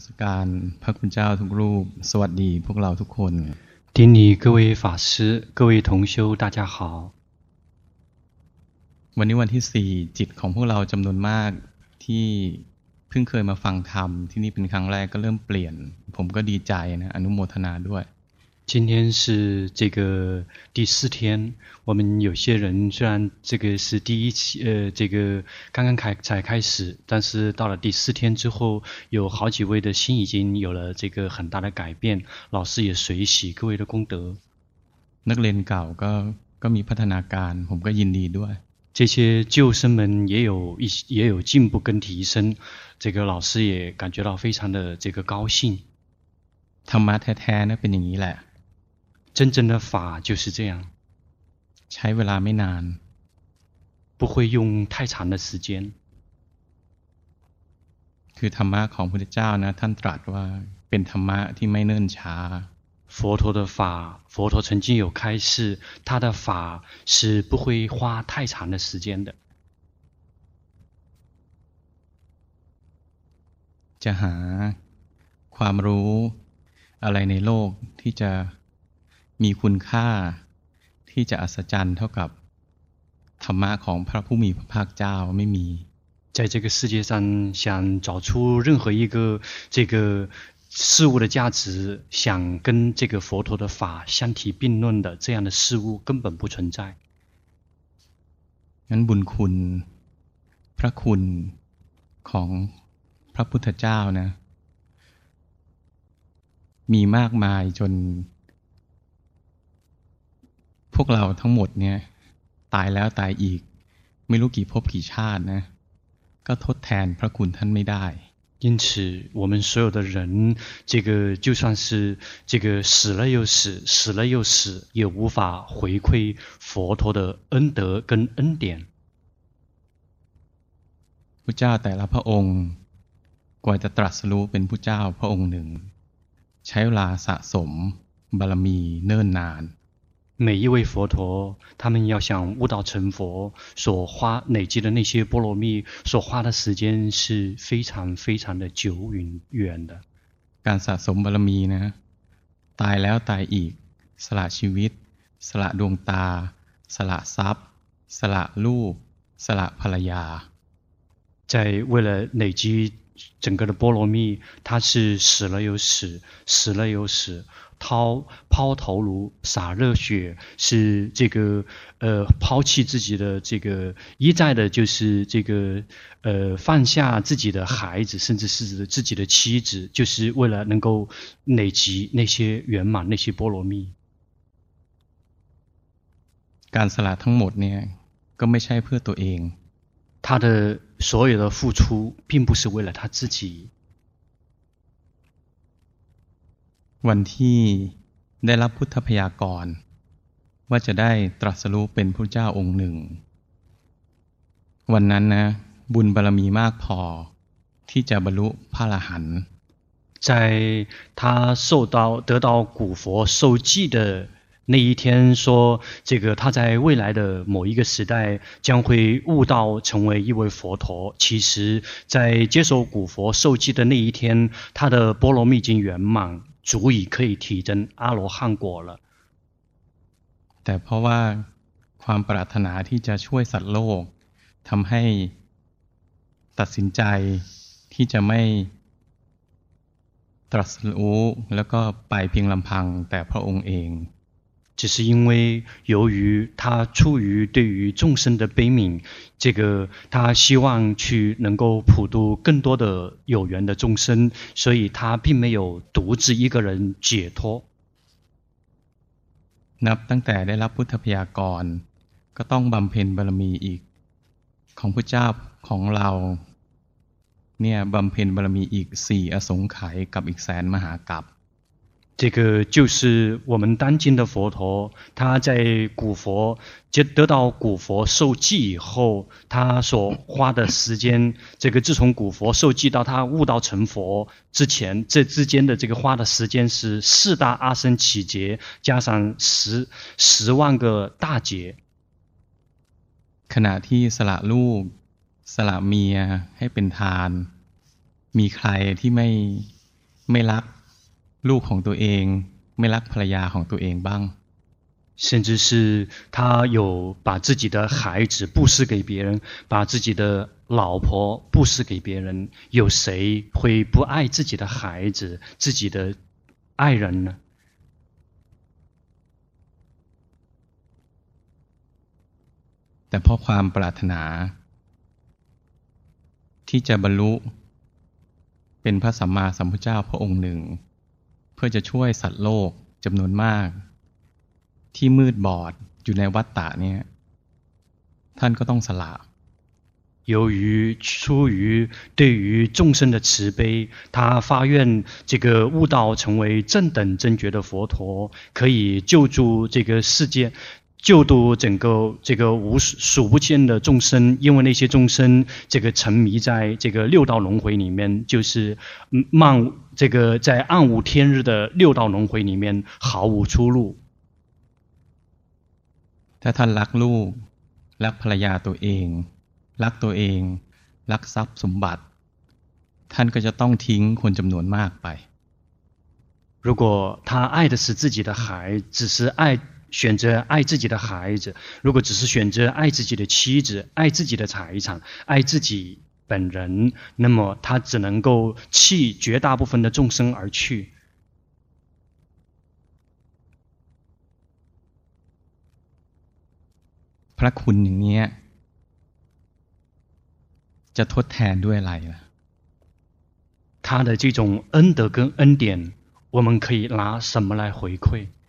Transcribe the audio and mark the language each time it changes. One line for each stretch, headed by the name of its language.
Thai: การพระคุณเจ้าทุกรูปสวัสดีพวกเราทุกคน
Chinese: 顶礼各位法师各位同修大家好
Thai: วันนี้วันที่4จิตของพวกเราจำนวนมากที่เพิ่งเคยมาฟังธรรมที่นี่เป็นครั้งแรกก็เริ่มเปลี่ยนผมก็ดีใจนะอนุโมทนาด้วย
Chinese: 今天是这个第四天我们有些人虽然这个是第一期这个刚刚才开始但是到了第四天之后有好几位的心已经有了这个很大的改变老师也随喜各位的功德那个人搞个个迷帕特纳干我们个印尼对这些救生们也有进步跟提升这个老师也感觉到非常的这个高兴
Thai: ธรรมะแท้ๆเป็นอย่างนี้แหละ
Chinese: 真正的法就是这样
Thai: ใช้เวลาไม่นาน
Chinese: 不会用太长的时间
Thai: คือธรรมะของพุทธเจ้านะท่านตรัสว่าเป็นธรรมะที่ไม่เนิ่นช้า
Chinese: 佛陀的法佛陀曾经有开示他的法是不会花太长的时间的
Thai: จะหาความรู้อะไรในโลกที่จะมีคุณค่าที่จะอัศจรรย์เท่ากับธรรมะของพระผู้มีพระภาคเจ้าไม่มี
Chinese: 在这个世界上想找出任何一个这个事物的价值想跟这个佛陀的法相提并论的这样的事物根本不存在
Thai: งั้นบุญคุณพระคุณของพระพุทธเจ้านะมีมากมายจนพวกเราทั้งหมดเนี่ยตายแล้วตายอีกไม่รู้กี่ภพกี่ชาตินะก็ทดแทนพระคุณท่านไม่ได้
Chinese: 因此我们所有的人这个就算是这个死了又死死了又死也无法回馈佛陀的恩德跟恩典
Thai: พุทธเจ้าแต่ละพระองค์กว่าจะตรัสรู้เป็นพุทธเจ้าพระองค์หนึ่งใช้เวลาสะสมบารมีเนิ่นนาน
Chinese: 每一位佛陀他们要想悟道成佛所花累积的那些波罗蜜所花的时间是非常非常的久远的
Thai: การสะสมบารมีนะตายแล้วตายอีกสละชีวิตสละดวงตาสละทรัพย์สละลูกสละภรรยา
Chinese: 在为了累积整个的波罗蜜他是死了又死死了又死抛头颅洒热血是这个抛弃自己的这个一再的就是这个放下自己的孩子甚至是自己的妻子就是为了能够累积那些圆满那些波罗蜜
Thai: การสละทั้งหมดเนี่ยก็ไม่ใช่เพื่อตัวเอง
Chinese: 他的所有的付出并不是为了他自己
Thai: วันที่ได้รับพุทธพยากรว่าจะได้ตรัสรู้เป็นพระเจ้าองค์หนึ่งวันนั้นนะบุญบารมีมากพอที่จะบรรลุพระอรหันต์
Chinese: 在他受到得到古佛授记的那一天说这个他在未来的某一个时代将会悟道成为一位佛陀其实在接受古佛授记的那一天他的波罗蜜已经圆满足以可以提证阿罗汉果了
Thai: แต่เพราะว่าความปรารถนาที่จะช่วยสัตว์โลกทำให้ตัดสินใจที่จะไม่ตรัสรู้แล้วก็ไปเพียงลำพังแต่พระองค์เอง
Chinese: 只是因为由于他出于对于众生的悲悯这个他希望去能够普度更多的有缘的众生所以他并没有独自一个人解脱
Thai: นับตั้งแต่ได้รับพุทธพยากรก็ต้องบำเพ็ญบารมีอีกของพระเจ้าของเราเนี่ยบำเพ็ญบารมีอีก4อสงไขยกับอีกแสนมหากัป
Chinese: 这个就是我们当今的佛陀他在古佛得到古佛受记以后他所花的时间这个自从古佛受记到他悟道成佛之前这之间的这个花的时间是四大阿僧祇劫加上十万个大劫
Thai: ขณะที่สละลูกสละเมียให้เป็นทานมีใครที่ไม่ ไม่รักลูกของตัวเองไม่รักภรรยาของตัวเองบ้าง
Chinese: 甚至是他有把自己的孩子布施给别人把自己的老婆布施给别人有谁会不爱自己的孩子自己的爱人呢
Thai: แต่เพราะความปรารถนาที่จะบรรลุเป็นพระสัมมาสัมพุทธเจ้าพระองค์หนึ่งเพื่อจะช่วยสัตว์โลกจำนวนมากที่มืดบอดอยู่ในวัฏฏะเนี่ยท่านก็ต้องสละ
Chinese: 由于出于对于众生的慈悲他发愿这个悟道成为正等正觉的佛陀可以救助这个世界救度整个这个无数不清的众生因为那些众生这个沉迷在这个六道轮回里面就是漫这个在暗无天日的六道轮回里面毫无出路
Thai: ถ้าท่านรักลูกรักภรรยาตัวเองรักตัวเองรักทรัพย์สมบัติท่านก็จะต้องทิ้งคนจำนวนมากไป
Chinese: 如果他爱的是自己的孩子只是爱选择爱自己的孩子如果只是选择爱自己的妻子爱自己的财产爱自己本人那么他只能够弃绝大部分的众生而去
Thai: พระคุณอย่างนี้จะทดแทนด้วยอะไรล่ะ
Chinese: 他的这种恩德跟恩典我们可以拿什么来回馈